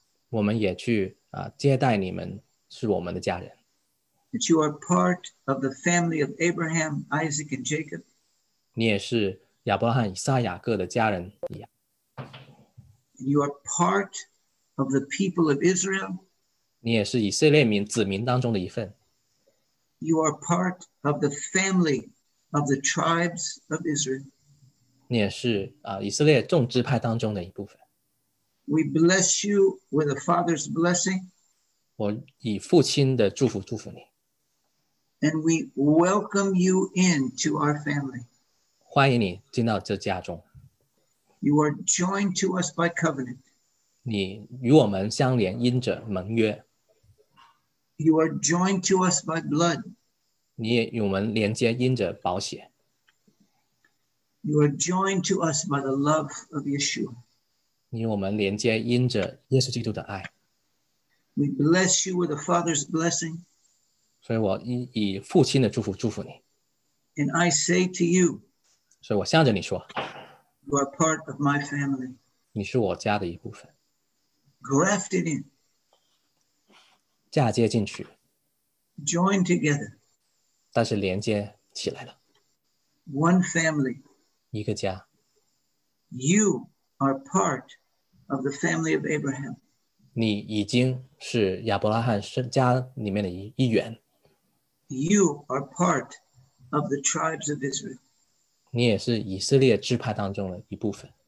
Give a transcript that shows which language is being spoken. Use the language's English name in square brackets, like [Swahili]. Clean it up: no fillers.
[Chinese] 我们也去接待你们是我们的家人。 [English] That you are part of the family of Abraham, Isaac, and Jacob. [Chinese] 你也是亚伯拉罕、以撒、雅各的家人一样。 [English] You are part of the people of Israel. [Chinese] 你也是以色列民子民当中的一份。 [English] You are part of the family of the tribes of Israel. [Chinese] 你也是以色列众支派当中的一部分。 [English] We bless you with a father's blessing. [Chinese] 我以父亲的祝福祝福你。 [English] And we welcome you into our family. [Chinese] 欢迎你进到这家中。 [English] You are joined to us by covenant. [Chinese] 你与我们相连，因着盟约。 [English] You are joined to us by blood. [Chinese] 你也与我们连接，因着宝血。 [English] You are joined to us by the love of Yeshua. [Chinese] 你与我们连接，因着耶稣基督的爱。 [English] We bless you with a father's blessing. [Chinese] 所以我以父亲的祝福祝福你。 [English] And I say to you. [Chinese] 所以我向着你说。 [English] You are part of my family. [Chinese] 你是我家的一部分。 [English] grafted in. [Chinese] 嫁接进去, [English] joined together. [Chinese] 但是连接起来了, [English] one family. [Chinese] 一个家, [English] you are part of the family of Abraham. [Chinese] 你已经是亚伯拉罕家里面的一员。 [English] You are part of the tribes of Israel. [Chinese] 你也是以色列支派当中的一部分。